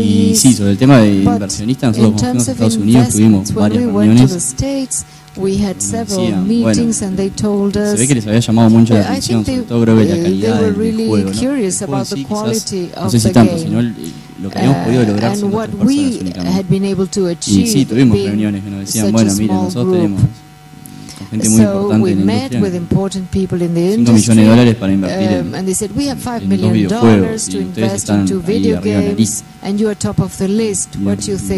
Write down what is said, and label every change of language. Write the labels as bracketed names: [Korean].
[Spanish] y sí, sobre el tema de inversionistas, nosotros como fuimos a Estados Unidos, tuvimos varias reuniones. [English] We had several meetings and they told us. [Spanish] Se ve que les había llamado mucho la atención, sobre todo creo que la calidad del [English] really [Spanish] juego, ¿no? [English] Curious about the quality of the game. [Spanish] Lo que habíamos podido lograr sin nuestras personas únicamente. Y sí, tuvimos reuniones que nos decían, bueno, miren, nosotros tenemos gente muy importante en la industria, 5 millones de dólares para invertir en dos videojuegos, y ustedes están ahí arriba en la lista. Y [English] top of the list, what you think?